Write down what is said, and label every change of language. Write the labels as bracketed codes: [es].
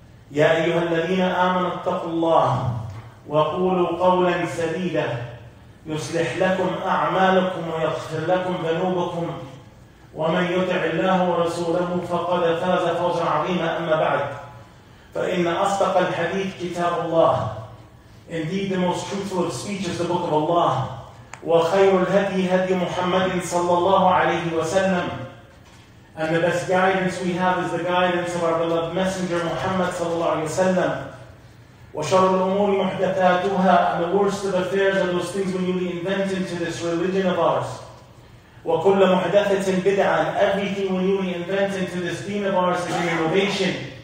[ar] يا أيها الذين آمنوا اتقوا الله وقولوا قولا سديدا يصلح لكم أعمالكم ويغفر لكم ذنوبكم، ومن يطع الله ورسوله فقد فاز فوزا عظيما. أما بعد، فإن أصدق الحديث كتاب الله. [en] Indeed, the most truthful of speech is the book of Allah. [ar] وخير الهدي هدي محمد صلى الله عليه وسلم. [en] And the best guidance we have is the guidance of our beloved messenger Muhammad صلى الله عليه وسلم. [ar] وشر الأمور محدثاتها. [en] And the worst of affairs are those things we newly invent into this religion of ours. [ar] وكل محدثة بدعة. [en] Everything we newly invent into this deen of ours is an innovation.